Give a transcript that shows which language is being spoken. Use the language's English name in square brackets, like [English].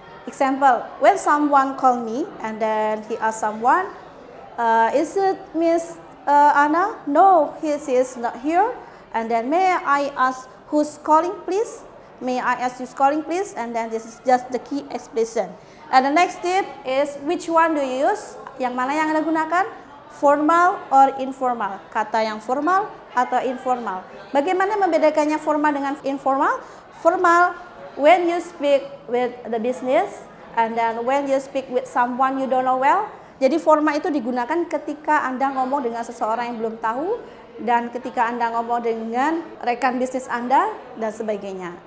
[English] Example, when someone call me and then he ask someone, is it Miss Anna? No, he is not here. And then may I ask who's calling please? May I ask who's calling please? And then this is just the key expression. And the next tip is which one do you use? [Indonesian] Yang mana yang Anda gunakan? [English] Formal or informal, [Indonesian] kata yang formal atau informal. Bagaimana membedakannya formal dengan informal? [English] Formal, when you speak with the business, and then when you speak with someone you don't know well. [Indonesian] Jadi formal itu digunakan ketika Anda ngomong dengan seseorang yang belum tahu, dan ketika Anda ngomong dengan rekan bisnis Anda, dan sebagainya.